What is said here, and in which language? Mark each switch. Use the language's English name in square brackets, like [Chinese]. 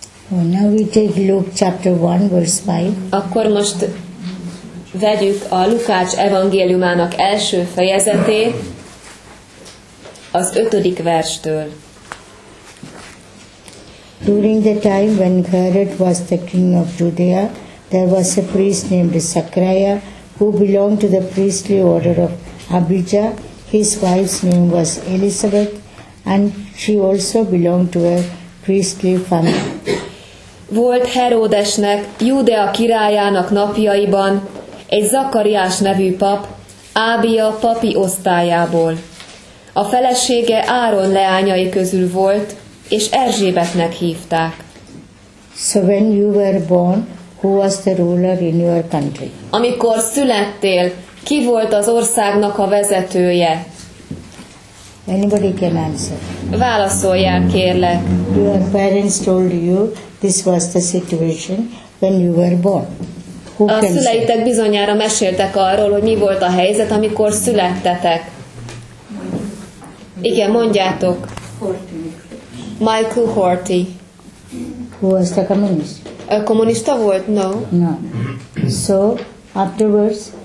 [English] Well, now we take Luke chapter 1, verse 5. [Hungarian] Akkor most vegyük a Lukács evangéliumának első fejezetét, az 5. verstől. [English] During the time when Herod was the king of Judea, there was a priest named Zechariah, who belonged to the priestly order of Abijah. His wife's name was Elizabeth, and she also belonged to a priestly family. [Hungarian] Volt Heródesnek, Judea királyának napjaiban egy Zakariás nevű pap, Ábia papi osztályából. A felesége Áron leányai közül volt, és Erzsébetnek hívták. [English] So when you were born, who was the ruler in your country? [Hungarian] Amikor születtél, ki volt az országnak a vezetője? [English] Anybody can answer. [Hungarian] Válaszoljál, kérlek. [English] Your parents told you this was the situation when you were born. [Hungarian] A szüleitek bizonyára meséltek arról, hogy mi volt a helyzet, amikor születtetek. Igen, mondjátok. Michael Horthy. [English] Who was the communist? [Hungarian] A kommunista volt? No. [English] No. So, afterwards?